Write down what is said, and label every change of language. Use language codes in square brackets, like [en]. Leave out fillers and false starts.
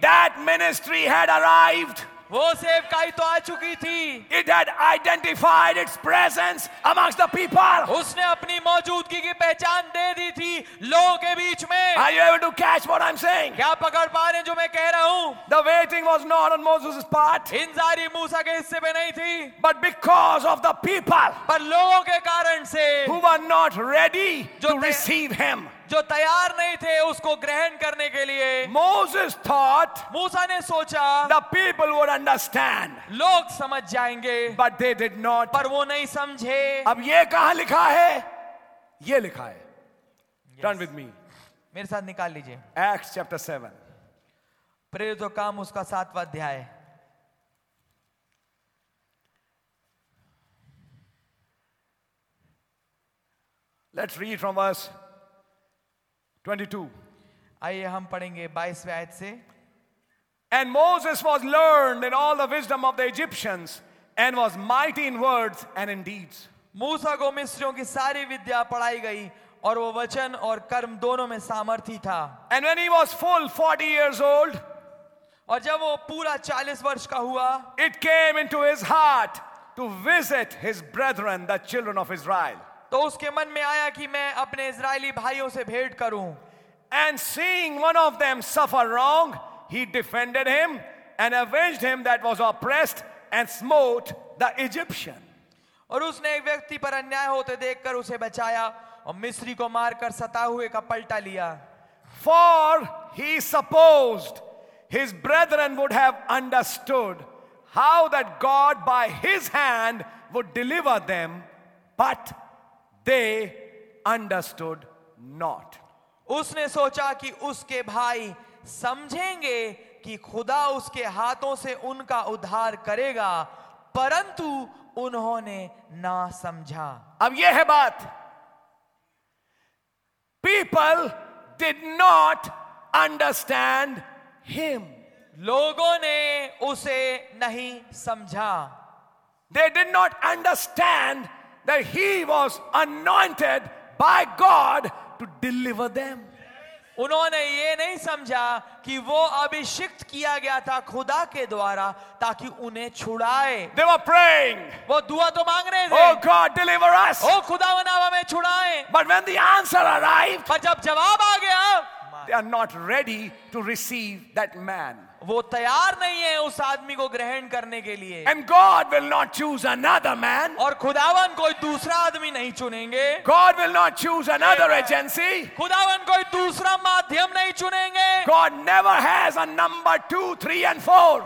[en] That ministry had arrived. [hi] वो सेवकाई तो आ चुकी थी. [en] It had identified its presence amongst the people. [hi] उसने अपनी मौजूदगी की पहचान दे दी थी लोगों के बीच में. [en] Are you able to catch what I'm saying? [hi] क्या पकड़ पा रहे जो मैं कह रहा हूँ? [en] The waiting was not on Moses' part. [hi] इंतजारी मूसा के हिस्से पे नहीं थी. [en] But because of the people. [hi] पर लोगों के कारण से. [en] Who were not ready to receive him. [hi] जो तैयार नहीं थे उसको ग्रहण करने के लिए. [en] Moses thought. [hi] मूसा ने सोचा. [en] The people would understand. [hi] लोग समझ जाएंगे. [en] But they did not. [hi] पर वो नहीं समझे. अब ये कहां लिखा है? ये लिखा है. [en] Yes. Turn with me. [hi] मेरे साथ निकाल लीजिए. [en] Acts chapter 7. [hi] प्रेरित काम उसका सातवां अध्याय. [en] Let's read from us. 22. [hi] आइए हम पढ़ेंगे 22वें आयत से. [en] And Moses was learned in all the wisdom of the Egyptians and was mighty in words and in deeds. [hi] मूसा को मिस्रियों की सारी विद्या पढ़ाई गई और वो वचन और कर्म दोनों में सामर्थी था. [en] And when he was full 40 years old. [hi] और जब वो पूरा 40 वर्ष का हुआ. [en] It came into his heart to visit his brethren, the children of Israel. [hi] तो उसके मन में आया कि मैं अपने इजरायली भाइयों से भेंट करूं. [en] And seeing one of them suffer wrong, he defended him and avenged him that was oppressed and smote the Egyptian. [hi] और उसने एक व्यक्ति पर अन्याय होते देखकर उसे बचाया और मिस्री को मारकर सता हुए का पलटा लिया. [en] For he supposed his brethren would have understood how that God by his hand would deliver them, but they understood not. [hi] उसने सोचा कि उसके भाई समझेंगे कि खुदा उसके हाथों से उनका उद्धार करेगा, परंतु उन्होंने ना समझा. अब यह है बात, [en] People did not understand him. [hi] लोगों ने उसे नहीं समझा. [en] They did not understand that he was anointed by God to deliver them. [hi] उन्होंने ये नहीं समझा कि वो अभिषिक्त किया गया था खुदा के द्वारा ताकि उन्हें छुड़ाए. [en] They were praying. [hi] वो दुआ तो मांग रहे थे. [en] Oh God, deliver us. [hi] ओ खुदा बनाओ हमें छुड़ाए. [en] But when the answer arrived, [hi] पर जब जवाब आ गया, [en] they are not ready to receive that man. [hi] वो तैयार नहीं है उस आदमी को ग्रहण करने के लिए. [en] And God will not choose another man. [hi] और खुदावन कोई दूसरा आदमी नहीं चुनेंगे. [en] God will not choose another agency. [hi] खुदावन कोई दूसरा माध्यम नहीं चुनेंगे. [en] God never has a number 2, 3, and 4.